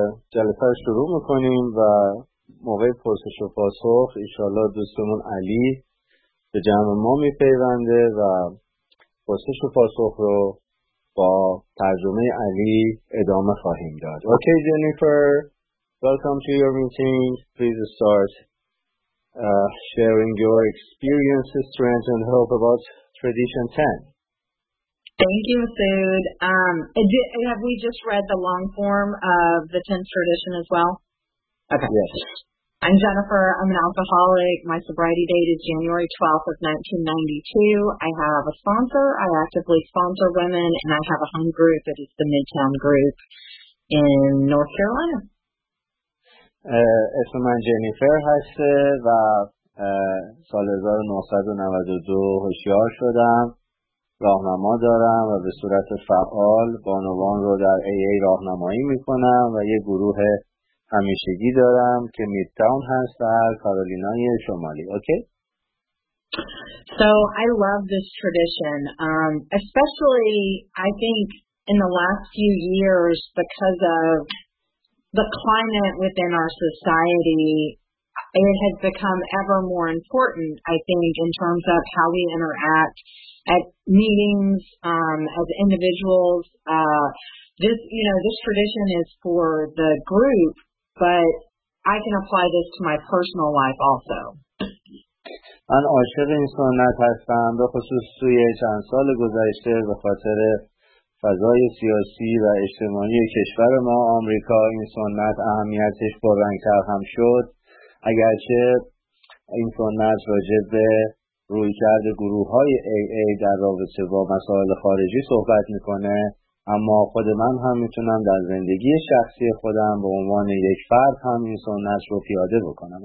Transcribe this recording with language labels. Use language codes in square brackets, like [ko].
[fa] جلسه رو شروع میکنیم و موقع پرسش و پاسخ ایشالله دوستمون علی به جمع ما میپیونده و پرسش و پاسخ رو با ترجمه علی ادامه خواهیم داد. [en] Okay, Jennifer, welcome to your meeting. Please start sharing your experiences, strengths, and hope about Tradition 10. Thank you, Sud. Have we just read the long form of the 10th tradition as well? Okay. Yes. I'm Jennifer. I'm an alcoholic. My sobriety date is January 12th of 1992. I have a sponsor. I actively sponsor women, and I have a home group. It is the Midtown Group in North Carolina. [fa] اسم من جنیفر هست و سال 1992 هوشیار شدم، راهنما دارم و به صورت فعال بانوان رو در AA راهنمایی میکنم و یه گروه همیشگی دارم که میدتاون هست در کارولینای شمالی. [en] Okay? So I love this tradition. Especially I think in the last few years because of the climate within our society, it has become ever more important, I think, in terms of how we interact at meetings, as individuals. This tradition is for the group, but I can apply this to my personal life also. [fa] من عاشق این سنت هستم، به خصوص توی چند سال گذشته به خاطر فضای سیاسی و اجتماعی کشور ما آمریکا این سنت اهمیتش پررنگ‌تر هم شد اگرچه این سنت راجع به رویکرد گروه های AA در رابطه با مسائل خارجی صحبت میکنه، اما خود من هم میتونم در زندگی شخصی خودم به عنوان یک فرد هم این سنت رو پیاده بکنم.